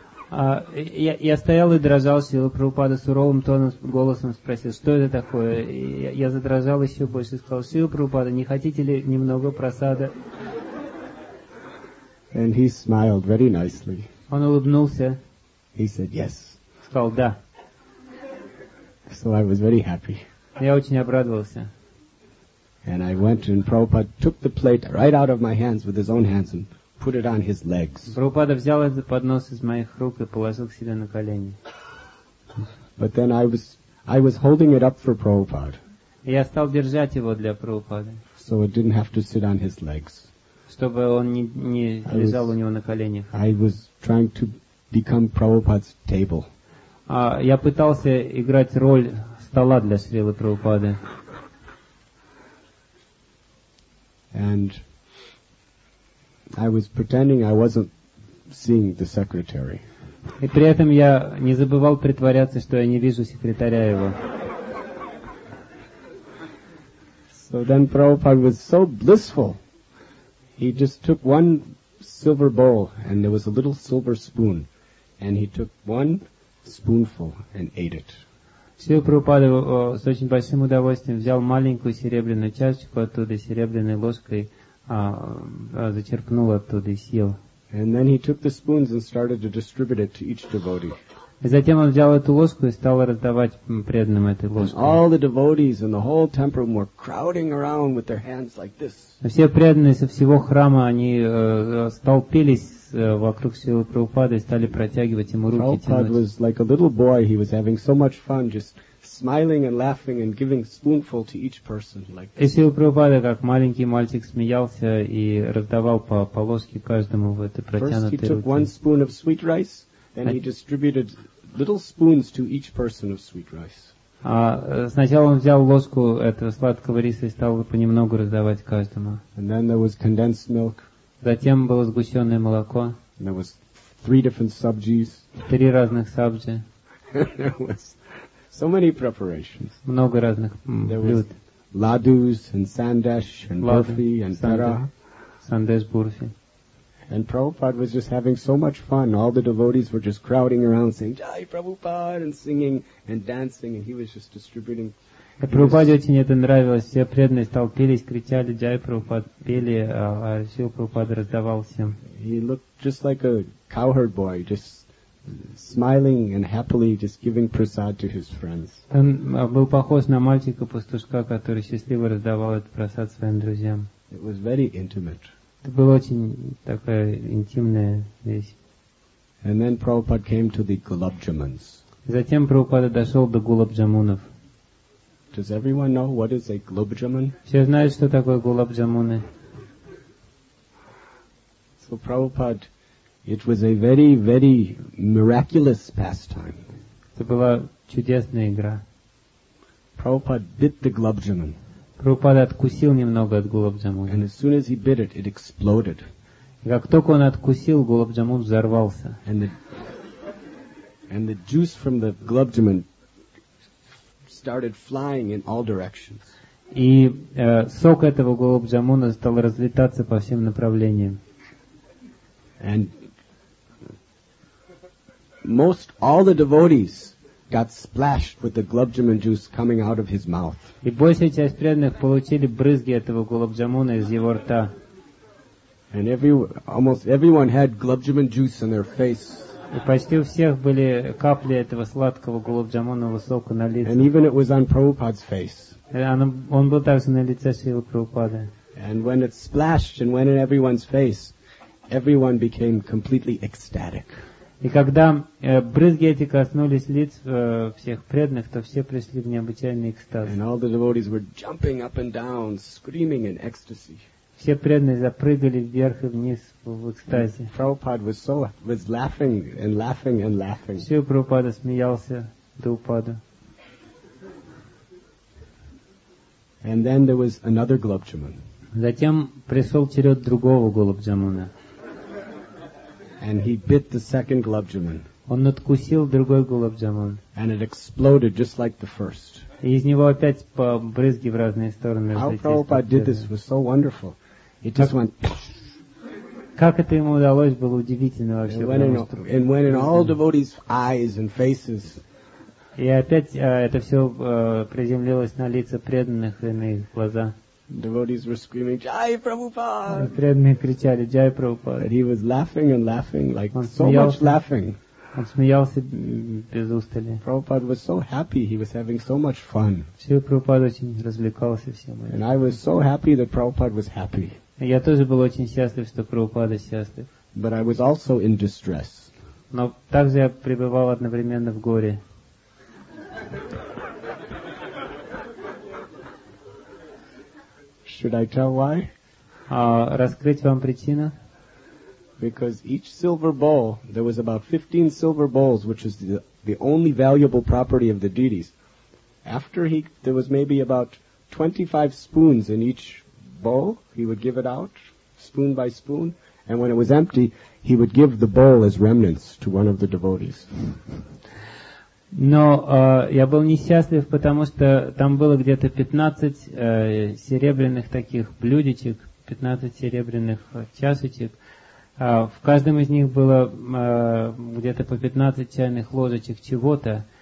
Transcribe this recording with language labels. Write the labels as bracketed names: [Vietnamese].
[Russian] Я стоял и дрожал, Шрила Прабхупада суровым тоном, голосом спросил, что это такое? Я задрожал еще больше и сказал, Шрила Прабхупада, не хотите ли немного прасада? [English] And he smiled very nicely. [Russian] Он улыбнулся. [English] He said, yes. [Russian] Сказал, да. [English] So I was very happy. [Russian] Я очень обрадовался. [English] And I went and Prabhupada took the plate right out of my hands with his own hands and put it on his legs. [Russian] Прабхупада взял этот поднос из моих рук и положил к себе на колени. [English] But then I was holding it up for Prabhupada. [Russian] Я стал держать его для Прабхупады. [English] So it didn't have to sit on his legs. [Russian] Чтобы он не лежал у него на коленях. [English] I was trying to become Prabhupada's table. [Russian] Я пытался играть роль стола для Шрилы Прабхупады. [English] And I was pretending I wasn't seeing the secretary. [Russian] И при этом я не забывал притворяться, что я не вижу секретаря его. [English] So then Prabhupada was so blissful. He just took one silver bowl and there was a little silver spoon and he took one spoonful and ate it. [Russian] Шрила Прабхупада с очень большим удовольствием взял маленькую серебряную чашечку оттуда, серебряной ложкой зачерпнул оттуда и съел. [English] And then he took the spoons and started to distribute it to each devotee. [Russian] И затем он взял эту ложку и стал раздавать преданным этой ложкой. [English] And all the devotees and the whole temple were crowding around with their hands like this. [Russian] Все преданные со всего храма они столпились вокруг Шрилы Прабхупады и стали протягивать ему руки. [English] Prabhupada was like a little boy. He was having so much fun, just smiling and laughing and giving spoonful to each person. [Russian] И Шрила Прабхупада как маленький мальчик смеялся и раздавал по ложке каждому в этой протянутой руке. [English] First he took one spoon of sweet rice, then he distributed little spoons to each person of sweet rice. [Russian] Сначала он взял ложку этого сладкого риса и стал понемногу раздавать каждому. [English] And then there was condensed milk. [Russian] Затем было сгущенное молоко. [English] There was three different subjis. [Russian] Три разных сабджи. [English] There was so many preparations. [Russian] Много разных блюд. [English] There was ladus and sandesh and burfi and pera. [Russian] Sandesh burfi. [English] And Prabhupada was just having so much fun. All the devotees were just crowding around saying, Jai Prabhupada, and singing and dancing, and he was just distributing. [Russian] И Прабхупаде очень это нравилось. Все преданные столпились, кричали, Джай Прабхупад, пели, а Шрила Прабхупада раздавал всем. [English] He looked just like a cowherd boy, just smiling and happily just giving prasad to his friends. [Russian] Он был похож на мальчика-пастушка, который счастливо раздавал этот просад своим друзьям. [English] It was very intimate. [Russian] Это была очень такая интимная вещь. [English] And then Prabhupada came to the Gulabjamans. [Russian] Затем Прабхупада дошел до Гулабджамунов. [English] Does everyone know what is a gulabjamun? [Russian] Все знают, что такое гулабджамуны. [English] So Prabhupada, it was a very, very miraculous pastime. [Russian] Это была чудесная игра. [English] Prabhupada bit the gulabjamun. [Russian] Прабхупада откусил немного от гулабджамуны. [English] And as soon as he bit it, it exploded. [Russian] И как только он откусил, гулабджамун взорвался. [English] And the juice from the gulabjamun started flying in all directions. [Russian] И сок этого гулабджамуна стал разлетаться по всем направлениям. [English] And most all the devotees got splashed with the gulabjamun juice coming out of his mouth. [Russian] И большая часть преданных получили брызги этого гулабджамуна из его рта. [English] And almost everyone had gulabjamun juice on their face. [Russian] И почти у всех были капли этого сладкого гулабджамунового сока на лице. [English] And even it was on Prabhupada's face. [Russian] Он был также на лице Шрилы Прабхупады. [English] And when it splashed and went in everyone's face, everyone became completely ecstatic. [Russian] И когда брызги эти коснулись лиц всех преданных, то все пришли в необычайный экстаз. [English] And all the devotees were jumping up and down, screaming in ecstasy. [Russian] Все преданные запрыгали вверх и вниз в экстазе. [English] Prabhupada was laughing and laughing and laughing. [Russian] Шрила Прабхупада смеялся до упада. [English] And then there was another gulabjamun. [Russian] Затем пришел черед другого гулабджамуна. [English] And he bit the second gulabjamun. [Russian] Он откусил другой гулабджамун. [English] And it exploded just like the first. [Russian] И из него опять по брызги в разные стороны. [English] How Prabhupada did this was so wonderful. It just went. [Russian] Как это ему удалось, было удивительно вообще. [English] And when in all devotees' eyes and faces. [Russian] И опять это все приземлилось на лица преданных и на их глаза. [English] Devotees were screaming, "Jai Prabhupada!" [Russian] Преданные кричали, "Jai Prabhupada!" [English] He was laughing and laughing, like so much laughing. [Russian] Он смеялся без устали. [English] Prabhupada was so happy, he was having so much fun. [Russian] Шрила Прабхупада очень развлекался всем. [English] And I was so happy that Prabhupada was happy. [Russian] Я тоже был очень счастлив, что Прабхупада счастлив. [English] But I was also in distress. [Russian] Но также я пребывал одновременно в горе. [English] Should I tell why? [Russian] Раскрыть вам причину? [English] Because each silver bowl, there was about 15 silver bowls, which is the only valuable property of the deities. There was maybe about 25 spoons in each bowl, he would give it out, spoon by spoon, and when it was empty, he would give the bowl as remnants to one of the devotees. [Russian] Но я был несчастлив, потому что там было где-то 15 серебряных таких блюдечек, 15 серебряных чашечек. В каждом из них было где-то по 15 чайных ложечек чего-то.